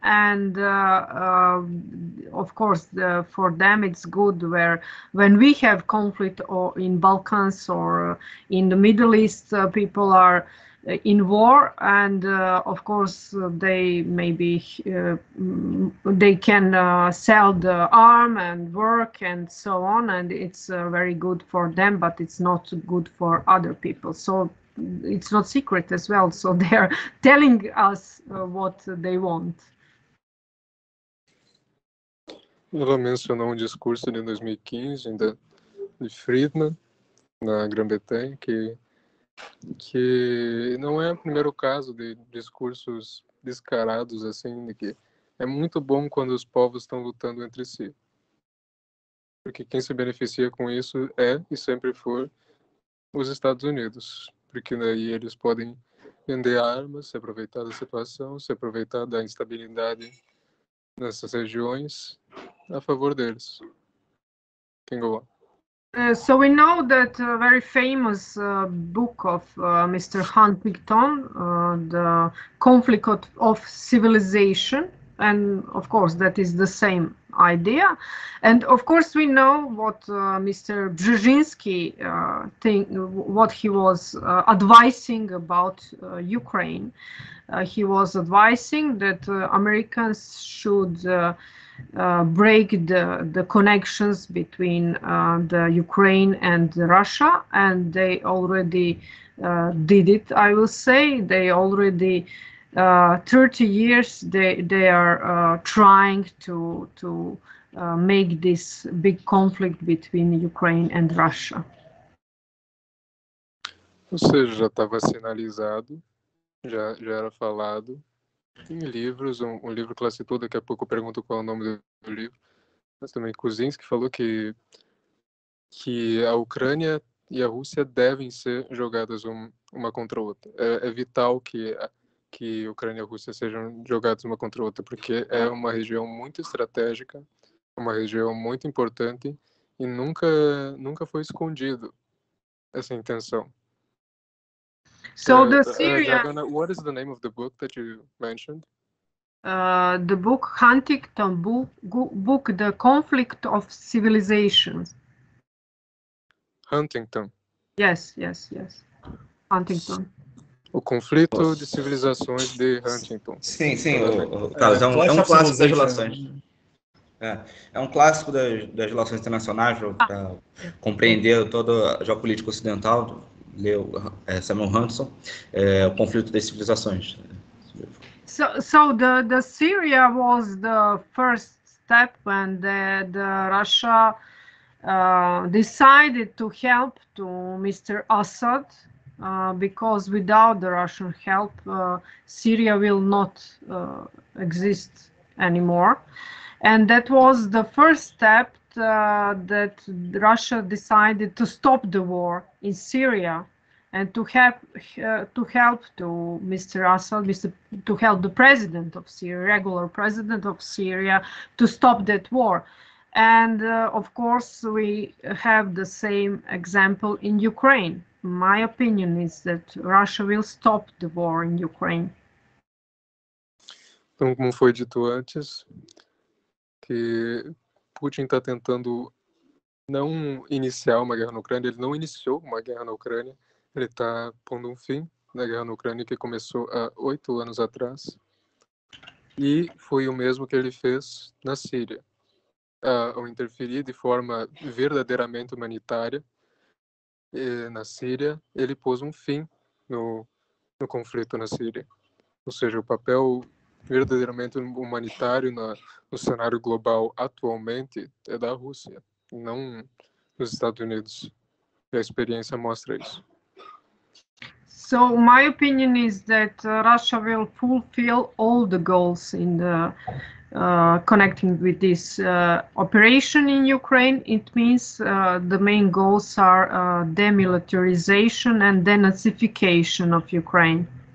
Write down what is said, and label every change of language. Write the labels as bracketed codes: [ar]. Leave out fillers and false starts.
[en] And of course, for them, it's good when we have conflict or in Balkans or in the Middle East, people are in war, and of course they can sell the arm and work and so on, and it's very good for them, but it's not good for other people. So it's not secret as well, so they're telling us what they want. [pt] Ela mencionou um discurso de 2015 de Friedman na Grã-Bretanha que não é o primeiro caso de discursos descarados assim, de que é muito bom quando os povos estão lutando entre si, porque quem se beneficia com isso é e sempre foi os Estados Unidos, porque daí eles podem vender armas, se aproveitar da situação, se aproveitar da instabilidade nessas regiões a favor deles. [en] Quem go on. So we know that a very famous book of Mr. Huntington, The Conflict of Civilization, and of course that is the same idea. And of course we know what Mr. Brzezinski think, what he was advising about Ukraine. He was advising that Americans should break the connections between the Ukraine and Russia, and they already did it. I will say they already 30 years they are trying to make this big conflict between Ukraine and Russia. [pt] Ou seja, já estava sinalizado, já era falado em livros, um livro que ela citou, daqui a pouco eu pergunto qual é o nome do livro, mas também Kuczynski, que falou que a Ucrânia e a Rússia devem ser jogadas uma contra a outra. É vital que a Ucrânia e a Rússia sejam jogadas uma contra a outra, porque é uma região muito estratégica, uma região muito importante e nunca foi escondido essa intenção. [en] So the Syria. Dragana, what is the name of the book that you mentioned? The book Huntington book The Conflict of Civilizations. Huntington. Yes. Huntington. [pt] O Conflito de Civilizações de Huntington. Sim. É um clássico das relações. É um clássico das relações internacionais para compreender toda a geopolítica ocidental. Leu Samuel Huntington, O Conflito das Civilizações. [en] So the Syria was the first step when the Russia decided to help to Mr. Assad. Because without the Russian help, Syria will not exist anymore. And that was the first step that Russia decided to stop the war in Syria and to help the president of Syria, regular president of Syria, to stop that war. And of course, we have the same example in Ukraine. My opinion is that Russia will stop the war in Ukraine. [pt] Então, como foi dito antes, que Putin está tentando não iniciar uma guerra na Ucrânia, ele não iniciou uma guerra na Ucrânia, ele está pondo um fim na guerra na Ucrânia, que começou há 8 anos atrás, e foi o mesmo que ele fez na Síria, ao interferir de forma verdadeiramente humanitária, e na Síria, ele pôs um fim no conflito na Síria. Ou seja, o papel verdadeiramente humanitário no cenário global atualmente é da Rússia, não dos Estados Unidos. E a experiência mostra isso. [en] So my opinion is that Russia will fulfill all the goals in the connecting with this operation in Ukraine. It means the main goals are demilitarization and denazification of Ukraine.